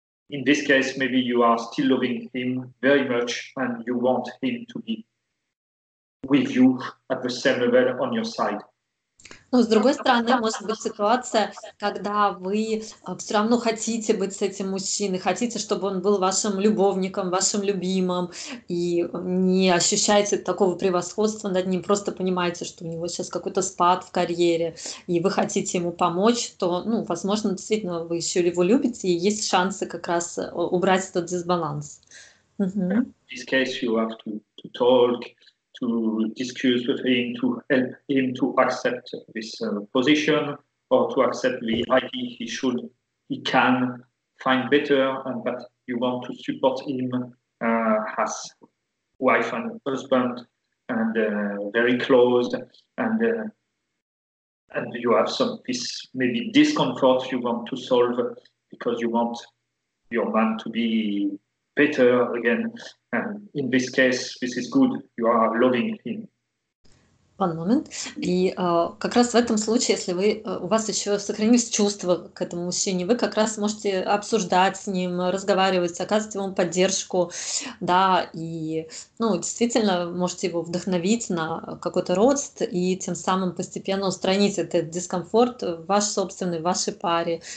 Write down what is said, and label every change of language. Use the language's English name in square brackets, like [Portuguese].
[English] In this case, maybe you are still loving him very much and you want him to be with you at the same level on your side. [Russian] Но, с другой стороны, может быть ситуация, когда вы все равно хотите быть с этим мужчиной, хотите, чтобы он был вашим любовником, вашим любимым, и не ощущаете такого превосходства над ним, просто понимаете, что у него сейчас какой-то спад в карьере, и вы хотите ему помочь, то, возможно, действительно, вы еще его любите, и есть шансы как раз убрать этот дисбаланс. В этом случае вы должны поговорить, [English] to discuss with him, to help him to accept this position or to accept the idea he can find better, and that you want to support him as wife and husband and very close, and you have some this maybe discomfort you want to solve because you want your man to be better again, and in this case, this is good. You are loving him. One moment. [Russian] И как раз в этом случае, если вы у вас еще сохранились чувства к этому мужчине, вы как раз можете обсуждать с ним, разговаривать, оказывать ему поддержку, да, и действительно можете его вдохновить на какой-то рост и тем самым постепенно устранить этот дискомфорт в ваш собственный, в вашей паре.